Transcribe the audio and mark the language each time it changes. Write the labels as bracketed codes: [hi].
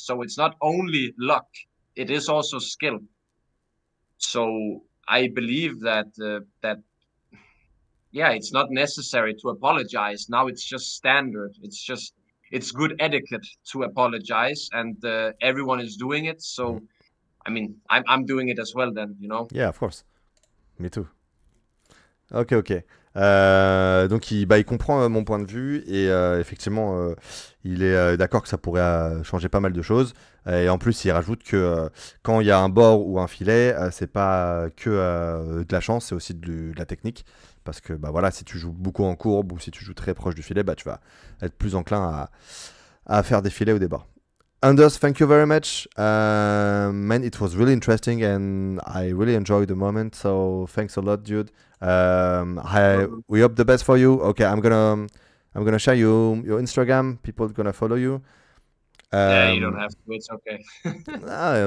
[en] So it's not only luck, it is also skill. So I believe that yeah, it's not necessary to apologize. Now it's just standard. It's good etiquette to apologize, and everyone is doing it. So, I mean, I'm doing it as well then, you know? Yeah, of course. Me too. Ok. [fr] Donc il comprend mon point de vue et effectivement il est d'accord que ça pourrait changer pas mal de choses. Et en plus il rajoute que quand il y a un bord ou un filet, c'est pas que de la chance, c'est aussi de la technique. Parce que bah voilà, si tu joues beaucoup en courbe ou si tu joues très proche du filet, bah tu vas être plus enclin à faire des filets ou des bords. [en] Anders, thank you very much. Man, it was really interesting and I really enjoyed the moment. So thanks a lot, dude. We hope the best for you. Okay, I'm gonna share your Instagram. People are gonna follow you. Yeah, you don't have to. It's okay.